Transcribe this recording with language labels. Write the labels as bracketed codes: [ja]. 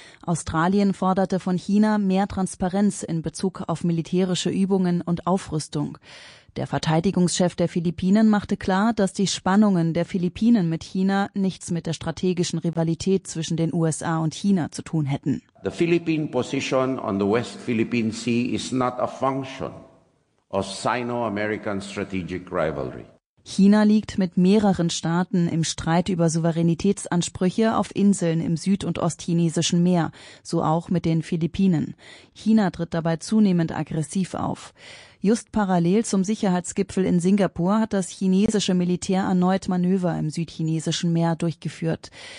[de] Australien forderte von China mehr Transparenz in Bezug auf militärische Übungen und Aufrüstung. Der Verteidigungschef der Philippinen machte klar, dass die Spannungen der Philippinen mit China nichts mit der strategischen Rivalität zwischen den USA und China zu tun hätten. [en] The Philippine position on the West Philippine Sea is not a function of Sino-American strategic rivalry. [de] China liegt mit mehreren Staaten im Streit über Souveränitätsansprüche auf Inseln im Süd- und Ostchinesischen Meer, so auch mit den Philippinen. China tritt dabei zunehmend aggressiv auf. Just parallel zum Sicherheitsgipfel in Singapur hat das chinesische Militär erneut Manöver im Südchinesischen Meer durchgeführt.